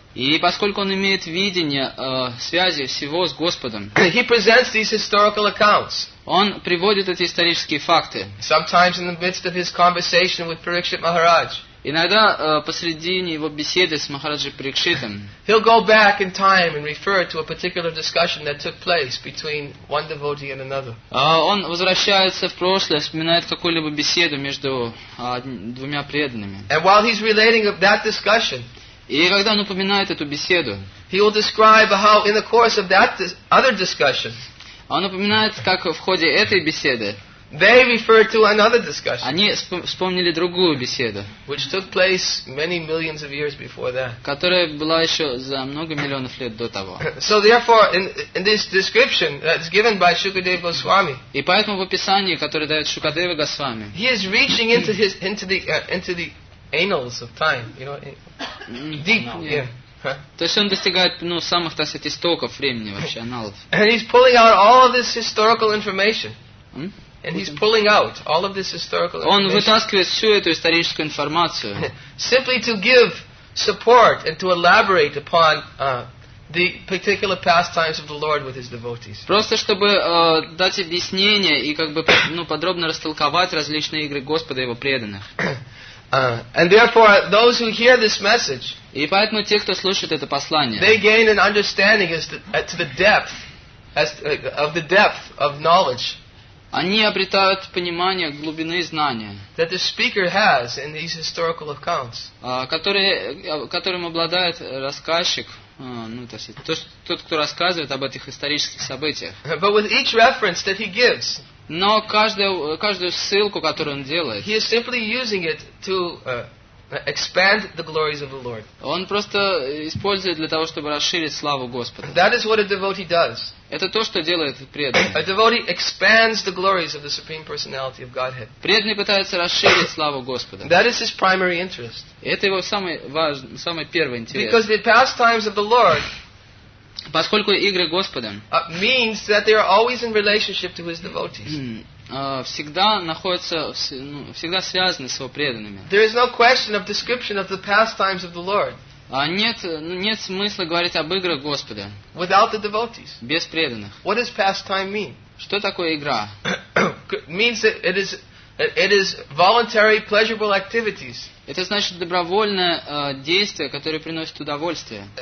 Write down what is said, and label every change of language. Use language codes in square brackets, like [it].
[ru] И поскольку он имеет видение связи всего с Господом, [en] he presents these historical accounts. [ru] Он приводит эти исторические факты. [en] Sometimes in the midst of his conversation with Parikshit Maharaj. [ru] Иногда посредине его беседы с Махараджи Парикшитом, [en] he'll go back in time and refer to a particular discussion that took place between one devotee and another. [ru] Он возвращается в прошлое, вспоминает какую-либо беседу между двумя преданными. [en] And while he's relating of that discussion, [ru] и когда он упоминает эту беседу, [en] he will describe how in the course of that other discussion, [ru] он упоминает, как в ходе этой беседы, [en] they refer to another discussion, [ru] они вспомнили другую беседу, [en] which took place many millions of years before that, [ru] которая была еще за много миллионов лет до того. [en] So therefore, in this description that's given by Shukadeva Goswami, [ru] и поэтому в описании, которое дает Шукадева Госвами, [en] he is reaching into his into the annals of time, you know. Deep, [ru] То есть он достигает самых, так сказать, истоков времени вообще, аналов. [en] And he's pulling out all of this historical information. And he's pulling out all of this historical information. [ru] Он вытаскивает всю эту историческую информацию. [en] Simply to give support and to elaborate upon the particular pastimes of the Lord with his devotees. [ru] Просто чтобы дать объяснение и как бы ну подробно растолковать различные игры Господа и его преданных. [en] And therefore, those who hear this message, [ru] и поэтому те, кто слушает это послание, [en] they gain an understanding as to the depth of knowledge. [ru] Они обретают понимание глубины знания, [en] that the speaker has in these historical accounts, [ru] которым обладает рассказчик. Ну, то есть, тот, кто рассказывает об этих исторических событиях. [en] But with each reference that he gives, [ru] но каждую ссылку, которую он делает, [en] he is simply using it to expand the glories of the Lord. [ru] Он просто использует для того, чтобы расширить славу Господа. [en] That is what a devotee does. [ru] Это то, что делает преданный. [en] A devotee expands the glories of the Supreme Personality of Godhead. [ru] Преданный пытается расширить славу Господа. [en] That is his primary interest. [ru] Это его самый первый интерес. [en] Because the pastimes of the Lord, [ru] поскольку игры Господа, [en] means that they are always in relationship to his devotees. [ru] Всегда находятся, ну, всегда связаны с его преданными. [en] There is no question of description of the pastimes of the Lord. [ru] Нет смысла говорить об играх Господа. [en] Without the devotees. [ru] Без преданных. [en] What does pastime mean? [ru] Что такое игра? [en] Means that it is voluntary pleasurable activities. [ru] Это значит добровольное действие, которое приносит удовольствие.